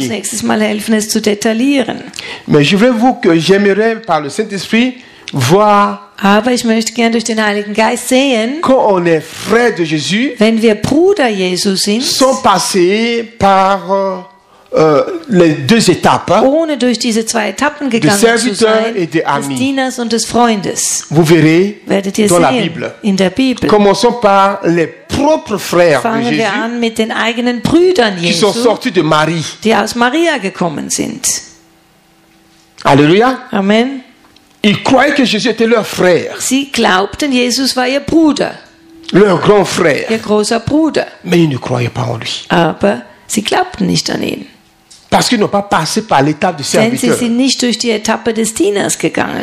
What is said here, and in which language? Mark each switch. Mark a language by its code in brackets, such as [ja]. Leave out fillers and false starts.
[de] Wird uns nächstes Mal helfen, es zu detaillieren. [fr] Mais je veux vous que j'aimerais par le Saint-Esprit voir. [de] Aber ich möchte gerne durch den Heiligen Geist sehen. [fr] Quand on est frère de Jésus, [de] wenn wir Bruder Jesu sind, [fr] sans passer par les deux étapes, [de] ohne durch diese zwei Etappen gegangen zu sein, des Dieners und des Freundes. [fr] Vous verrez [de] werdet ihr [fr] dans [de] sehen, [fr] la Bible. [de] In der Bibel. [fr] Commençons par les propres frères [de] Fangen [fr] de Jésus, [de] wir an mit den eigenen Brüdern Jesu, [fr] qui sont sortis de Marie. [de] Die aus Maria gekommen sind. [fr] Alléluia. [de] Amen. [fr] Ils croyaient que Jésus était leur frère. [de] Sie glaubten, Jesus war ihr Bruder. [fr] Leur grand frère. [de] Ihr großer Bruder. [fr] Mais ils ne croyaient pas en lui. [de] Aber sie glaubten nicht an ihn. [fr] Parce qu'ils n'ont pas passé par l'étape du serviteur. [de] Denn sie sind nicht durch die Etappe des Dieners gegangen.